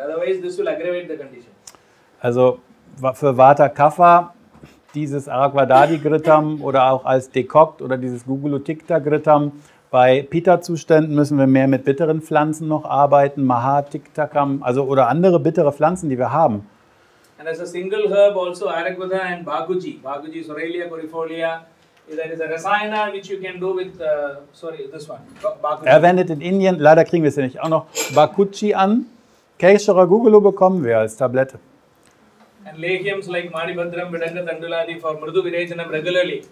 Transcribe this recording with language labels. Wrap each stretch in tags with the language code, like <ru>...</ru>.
<en>Otherwise, this will aggravate the condition.</en> <de>Also für Vata Kapha, dieses Aragodadi Gritam oder auch als Dekokt oder dieses Gugulu Tiktaka Gritam, bei Pitta-Zuständen müssen wir mehr mit bitteren Pflanzen noch arbeiten, Mahatiktakam, also oder andere bittere Pflanzen, die wir haben.</de> <en>And as a single herb also Aragvada and Baguji. Baguji is Aurelia cordifolia. That is a rasayana which you can do with, this one.</en> <de>Er wendet in Indien, leider kriegen wir es ja nicht, auch noch Bakuchi an. Keshara Gugulu bekommen wir als Tablette.</de> <en>And legumes like Manibhadram, Vidanga, Tanduladi for Mrudu Virajanam regularly.</en>